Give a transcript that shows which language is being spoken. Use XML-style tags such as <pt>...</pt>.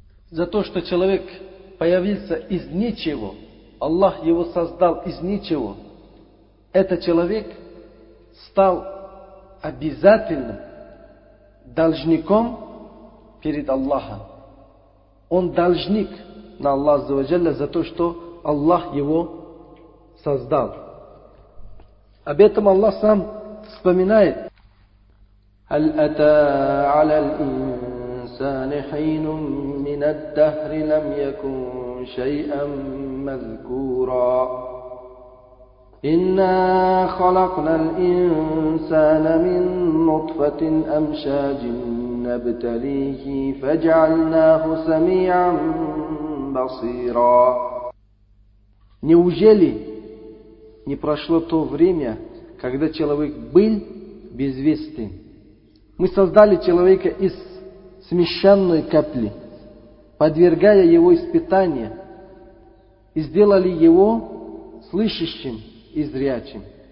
<ru>За то, что человек появился из ничего, Аллах его создал из ничего, этот человек стал обязательным должником перед Аллахом. Он должник на Аллах Азза ва Джалля за то, что Аллах его создал. Об этом Аллах сам вспоминает.</ru> <ar>هل أتى على الإنسان حين من الدهر لم يكن شيئا مذكورا إنا خلقنا الإنسان من نطفة أمشاج نبتليه فجعلناه سميعا بصيرا.</ar> <ru>Неужели не прошло то время, когда человек был безвестен? Мы создали человека из смещенной капли, подвергая его испытания, и сделали его слышащим и зрячим.</ru>